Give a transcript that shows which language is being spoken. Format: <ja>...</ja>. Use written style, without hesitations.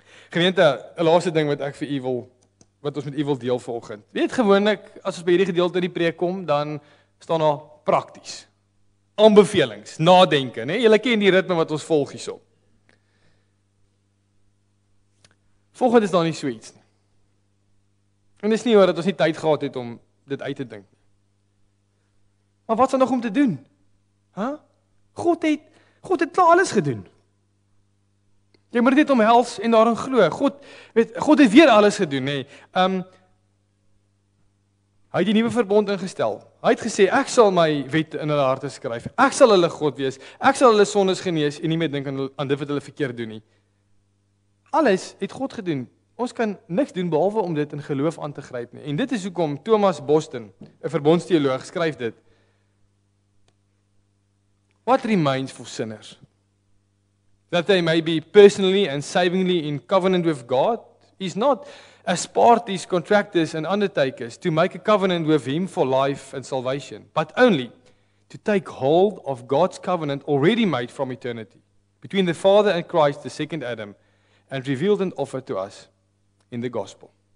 <af>Gemeente, 'n laaste ding wat ek vir u wil, wat ons met u wil deel vanoggend. Weet gewoonlik, as ons by hierdie gedeelte in die preek kom, dan staan daar prakties. Aanbevelings, nadenke, nee, julle ken die ritme wat ons volg hierso. Volgend is daar nie so iets nie. En dis nie hoor dat ons nie tyd gehad het om dit uit te dink. Maar wat is daar nog om te doen? God het klaar alles gedoen. Jy moet dit omhels en daarin glo. God het weer alles gedoen, nee. Hy het die nuwe verbond ingestel. Hy het gesê, ek sal my wet in hulle harte skryf. Ek sal hulle God wees. Ek sal hulle sondes genees en nie meer dink aan dit wat hulle verkeerd doen nie. Alles het God gedoen. Ons kan niks doen behalwe om dit in geloof aan te gryp nie. En dit is hoekom Thomas Boston, 'n verbondsteoloog, skryf dit.</af> <en>What remains for sinners? That they may be personally and savingly in covenant with God is not as parties, contractors and undertakers to make a covenant with him for life and salvation, but only to take hold of God's covenant already made from eternity between the Father and Christ, the second Adam, and revealed and offered to us in the gospel.</en>